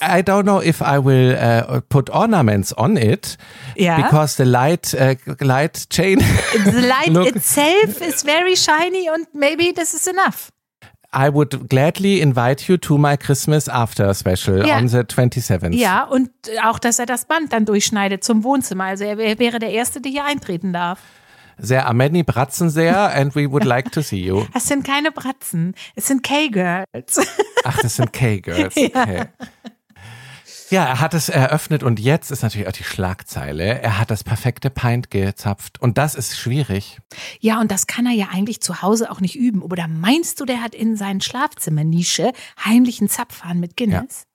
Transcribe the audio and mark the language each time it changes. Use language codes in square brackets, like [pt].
[en] I don't know if I will put ornaments on it, because the light chain. The light itself is very shiny and maybe this is enough. I would gladly invite you to my Christmas after special on the 27th. [de] Ja, und auch, dass er das Band dann durchschneidet zum Wohnzimmer. Also er wäre der Erste, der hier eintreten darf. [en] There are many Bratzen there and we would like to see you. [de] Das sind keine Bratzen, es sind K-Girls. Ach, das sind K-Girls, okay. Ja, er hat es eröffnet und jetzt ist natürlich auch die Schlagzeile. Er hat das perfekte Pint gezapft und das ist schwierig. Ja, und das kann er ja eigentlich zu Hause auch nicht üben. Oder meinst du, der hat in seinen Schlafzimmernische heimlichen Zapfhahn mit Guinness?